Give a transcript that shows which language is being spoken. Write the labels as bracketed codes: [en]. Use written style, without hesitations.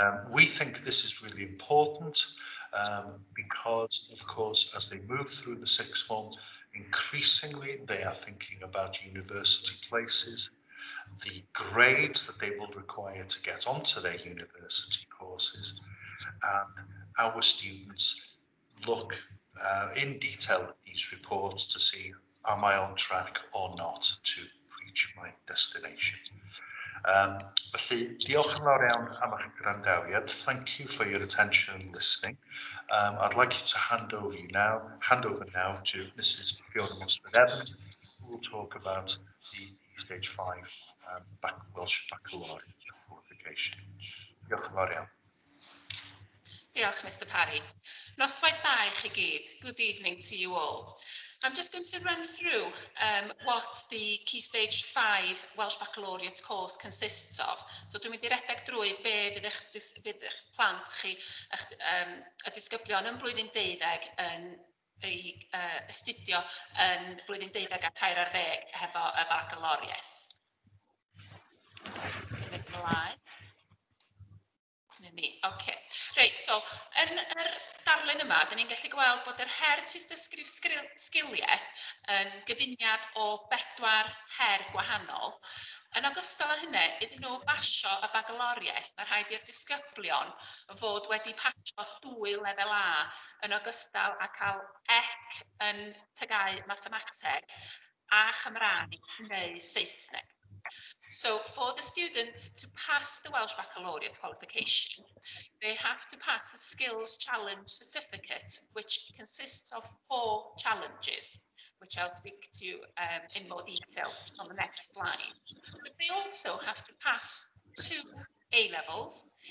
[en] We think this is really important because, of course, as they move through the sixth form, increasingly they are thinking about university places, the grades that they will require to get onto their university courses, and our students look in detail at these reports to see, am I on track or not to reach my destination. [cy] Felly, diolch yn fawr iawn am eich gwrandawiad. [en] Thank you for your attention and listening. I'd like you to hand over now to Mrs. Fiona Mosford-Evans, who will talk about the Stage 5 Welsh Baccalaureate qualification. [cy] Diolch yn fawr iawn. Diolch, Mr. Parry. Noswaith dda I chi gyd. [en] Good evening to you all. I'm just going to run through what the Key Stage 5 Welsh Baccalaureate course consists of. [cy] So dwi'n mynd i redeg drwy be fydd eich plant chi, y disgyblion yn blwyddyn 12 yn ei astudio yn blwyddyn 12 a tair ar ddeg hefo y baccalaureate. Symud ymlaen. Okay. Right, so yn yr darlun yma, dyn ni'n gallu gweld bod yr her tystysgrif sgiliau yn gyfuniad o bedwar her gwahanol. Yn ogystal â hynny, iddyn nhw basio y baccalaureate, mae rhaid i'r disgyblion fod wedi pasio dwy lefel A yn ogystal â cael ec yn tygau mathemateg a Chymraeg neu Saesneg. [en] So for the students to pass the Welsh Baccalaureate qualification, they have to pass the Skills Challenge Certificate, which consists of four challenges, which I'll speak to in more detail on the next slide. But they also have to pass two A levels.